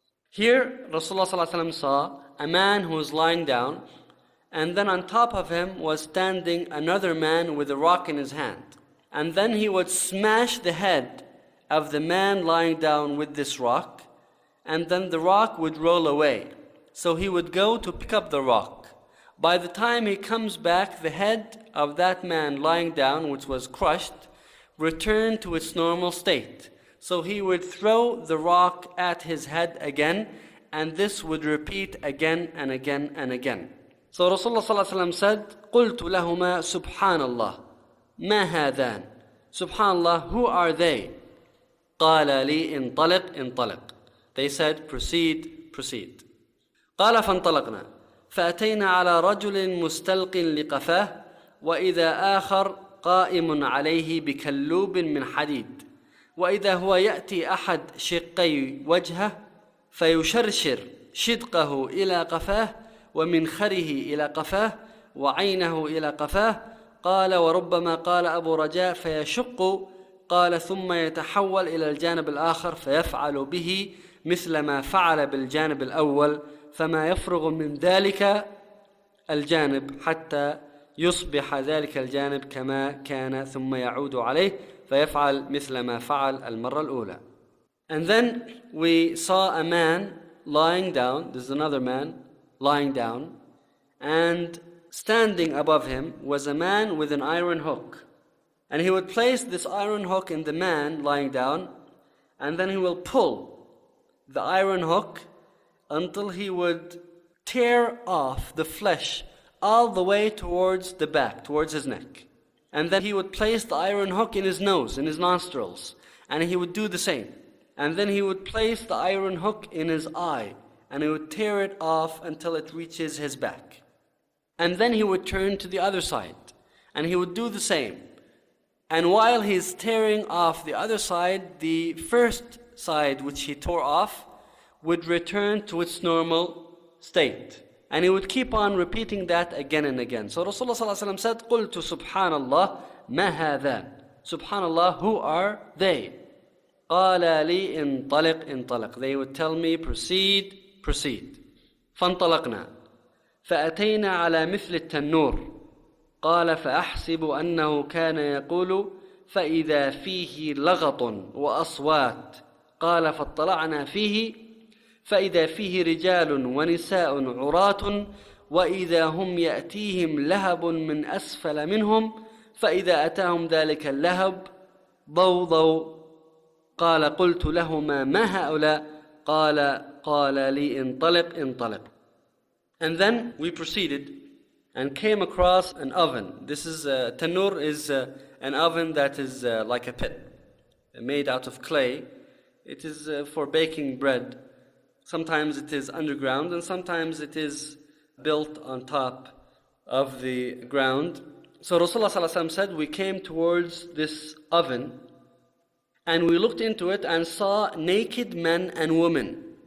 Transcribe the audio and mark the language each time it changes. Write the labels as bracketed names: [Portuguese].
[English] Here Rasulullah صلى الله عليه وسلم saw a man who was lying down, and then on top of him was standing another man with a rock in his hand. And then he would smash the head of the man lying down with this rock, and then the rock would roll away. So he would go to pick up the rock. By the time he comes back, the head of that man lying down, which was crushed, returned to its normal state. So he would throw the rock at his head again, and this would repeat again and again and again. So Rasulullah sallallahu alaihi wasallam said, [Arabic] قلت لهما سبحان الله ما هذان سبحانه [English] who are they [Arabic] قال لي انطلق انطلق. [English] They said proceed proceed. [Arabic] قال فانطلقنا فأتينا على رجل مستلق لقفاه وإذا آخر قائم عليه بكلوب من حديد وإذا هو يأتي أحد شقي وجهه فيشرشر شدقه إلى قفاه ومنخره إلى قفاه وعينه إلى قفاه قال وربما قال أبو رجاء فيشق قال ثم يتحول إلى الجانب الآخر فيفعل به مثل ما فعل بالجانب الأول فما يفرغ من ذلك الجانب حتى يصبح ذلك الجانب كما كان ثم يعود عليه فيفعل مثل ما فعل المرة الأولى. [English] And then we saw a man lying down. This is another man lying down, and standing above him was a man with an iron hook. And he would place this iron hook in the man lying down, and then he will pull the iron hook until he would tear off the flesh all the way towards the back, towards his neck. And then he would place the iron hook in his nose, in his nostrils, and he would do the same. And then he would place the iron hook in his eye, and he would tear it off until it reaches his back. And then he would turn to the other side, and he would do the same. And while he's tearing off the other side, the first side which he tore off would return to its normal state. And he would keep on repeating that again and again. So Rasulullah ﷺ said, [Arabic] قُلْتُ سُبْحَانَ اللَّهِ مَا هَذَا سُبْحَانَ اللَّهِ [English] Who are they? [Arabic] قَالَ لِي انطلق انطلق [English] They would tell me, proceed, proceed. [Arabic] فَانْطَلَقْنَا فَأَتَيْنَا عَلَى مِثْلِ التَّنُّورِ قَالَ فَأَحْسِبُ أَنَّهُ كَانَ يَقُولُ فَإِذَا فِيهِ لَغَطٌ وَأَصْوَاتٌ قَالَ فَاطَّلَعْنَا فِيهِ فَإِذَا فِيهِ رِجَالٌ وَنِسَاءٌ عُرَاتٌ وَإِذَا هُمْ يَأْتِيهِمْ لَهَبٌ مِنْ أَسْفَلَ مِنْهُمْ فَإِذَا أَتَاهُمْ ذَلِكَ اللَّهَبُ ضَوْضَوْ قَالَ قُلْتُ لَهُمَا مَا هَؤُلَاء قَالَ لِي انطلق انطلق [English] And then we proceeded and came across an oven. This is tanur is an oven that is like a pit made out of clay. It is for baking bread. Sometimes it is underground and sometimes it is built on top of the ground. So Rasulullah ﷺ said, we came towards this oven and we looked into it and saw naked men and women.